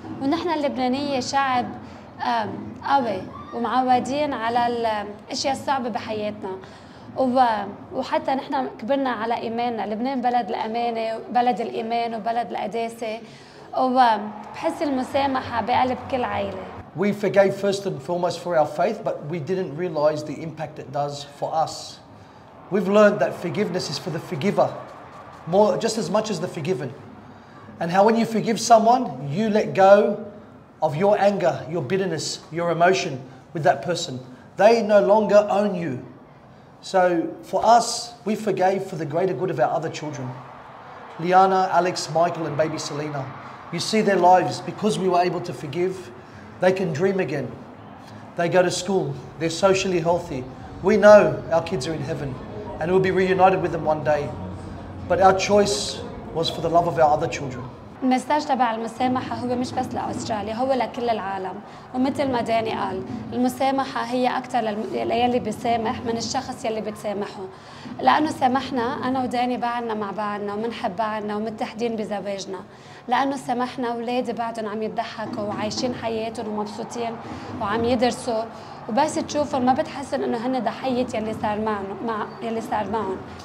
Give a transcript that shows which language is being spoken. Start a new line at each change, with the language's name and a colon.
Arabic: ونحن اللبنانية شعب قوي ومعودين على الأشياء الصعبة بحياتنا، وحتى نحن كبرنا على إيماننا. لبنان بلد الأمانة، بلد الإيمان، وبلد القداسة، وبحس المسامحة بقلب كل عائلة.
English: We forgave first and foremost for our faith, but we didn't realize the impact it does for us. We've learned that forgiveness is for the forgiver, more just as much as the forgiven. And how when you forgive someone, you let go of your anger, your bitterness, your emotion with that person. They no longer own you. So for us, we forgave for the greater good of our other children. Liana, Alex, Michael, and baby Selena. You see their lives, because we were able to forgive, they can dream again. They go to school. They're socially healthy. We know our kids are in heaven and we'll be reunited with them one day. But our choice was for the love of our other children.
Arabic: المساج تبع المسامحة هو مش بس لأستراليا، هو لكل العالم. ومثل ما داني قال، المسامحة هي أكتر للي بيسامح من الشخص يلي بتسامحه. لأنه سامحنا، أنا وداني بعدنا مع بعضنا ومنحب بعضنا ومتحدين بزواجنا. لأنه سامحنا، أولادي بعدهم عم يضحكوا وعايشين حياتهم ومبسوطين وعم يدرسوا، وبس تشوفهم ما بتحسن إنه هن ضحية يلي صار معهم.